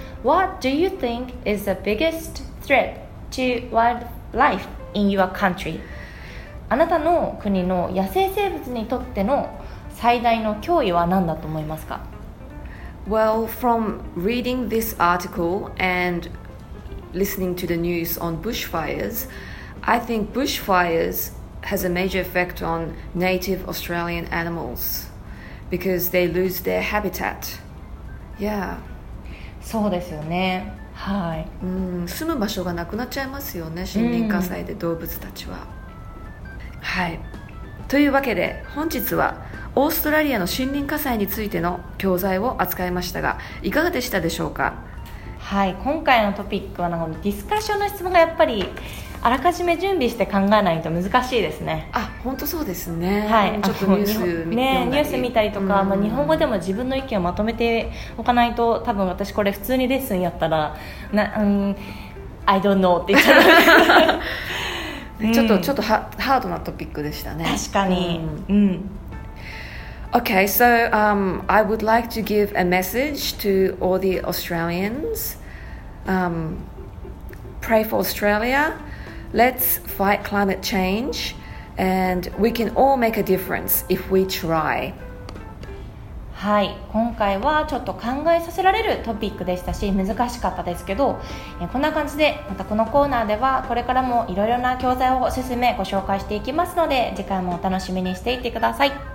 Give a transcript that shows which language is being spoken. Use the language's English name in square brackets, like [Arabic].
[English] What do you think is the biggest threat to wildlife in your country? [Japanese] あなたの国の野生生物にとっての最大の脅威は何だと思いますか？ [English] Well, from reading this article andlistening to the news on bushfires, I think bushfires has a major effect on native Australian animals because they lose their habitat. Yeah. [Japanese] そうですよね。はい、うん、住む場所がなくなっちゃいますよね、森林火災で動物たちは、はい、というわけで本日はオーストラリアの森林火災についての教材を扱いましたが、いかがでしたでしょうか。はい、今回のトピックはなんかディスカッションの質問がやっぱりあらかじめ準備して考えないと難しいですね。あ、本当そうですね。はい、ちょっとニュース見たり、ね、ニュース見たりとか、まあ、日本語でも自分の意見をまとめておかないと、多分私これ普通にレッスンやったらな、うん、 [English] I don't know [Japanese] って言っちゃう。ちょっとハードなトピックでしたね。確かに。うん。 [English] Okay, so I would like to give a message to all the Australians. Pray for Australia. Let's fight climate change. And we can all make a difference if we try. [Japanese] はい、今回はちょっと考えさせられるトピックでしたし、難しかったですけど、こんな感じでまたこのコーナーではこれからもいろいろな教材をおすすめご紹介していきますので、次回もお楽しみにしていてください。